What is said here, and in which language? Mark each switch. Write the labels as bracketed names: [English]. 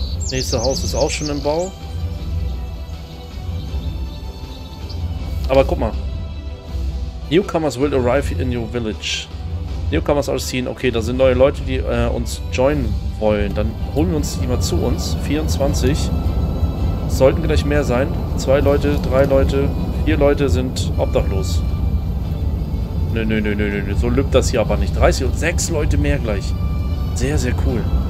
[German] Nächstes Haus ist auch schon im Bau. Aber guck mal. [English] Newcomers will arrive in your village. Newcomers are seen. [German] Okay, da sind neue Leute, die uns joinen wollen. Dann holen wir uns die mal zu uns. 24. Sollten gleich mehr sein. Zwei Leute, drei Leute, vier Leute sind obdachlos. Nö. So lübt das hier aber nicht. 30 und 6 Leute mehr gleich. Sehr, sehr cool.